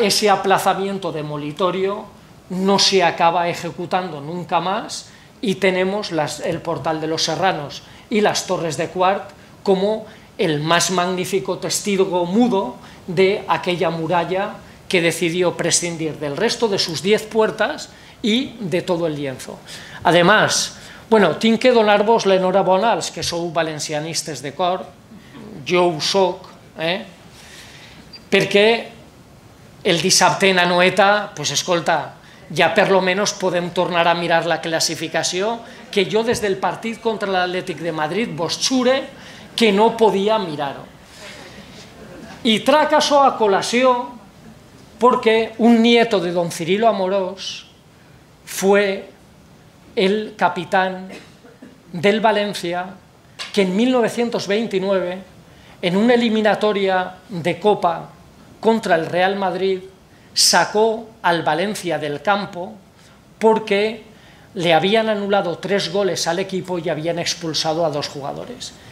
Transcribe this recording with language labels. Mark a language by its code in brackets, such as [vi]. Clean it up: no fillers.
[es] aplazamiento demolitorio no se acaba ejecutando nunca más y tenemos el portal de los Serranos y las torres de Cuart como el más magnífico testigo mudo de aquella muralla que decidió prescindir del resto de sus 10 puertas y de todo el lienzo. [ca] Además, bueno, tinc que donar-vos l'enhorabona als que sou valencianistes de cor, jo ho soc, perquè el dissabte en Anoeta, pues escolta, ja per lo menos podem tornar a mirar la classificació, que jo des del partit contra l'Atlètic de Madrid vos xure que no podia mirar-ho. I trac això a col·lació perquè [es] un nieto de don Cirilo Amorós fue el capitán del Valencia que en 1929, en una eliminatoria de Copa contra el Real Madrid, sacó al Valencia del campo porque le habían anulado 3 goles al equipo y habían expulsado a 2 jugadores.